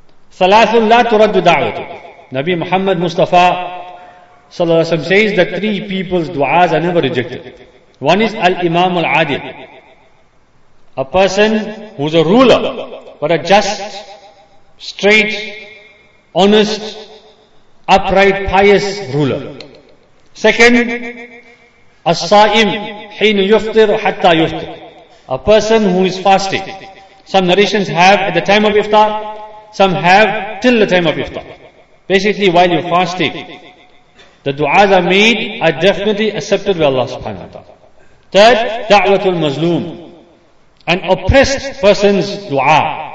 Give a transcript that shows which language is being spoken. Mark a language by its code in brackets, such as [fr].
[ar] Salatul la turaddu da'watu. [en] Nabi Muhammad Mustafa sallallahu alaihi wasallam says that three people's du'as are never rejected. One is Al-Imam Al-Adil. A person who's a ruler, but a just, straight, honest, upright, pious ruler. Second, [ar] As-Sa'im, حين يفطر حتى يفطر. [en] A person who is fasting. Some narrations have at the time of iftar, some have till the time of iftar. Basically, while you're fasting, the du'as are made are definitely accepted by Allah subhanahu wa ta'ala. Third, [ar] da'watul mazloom. [en] An oppressed person's du'a.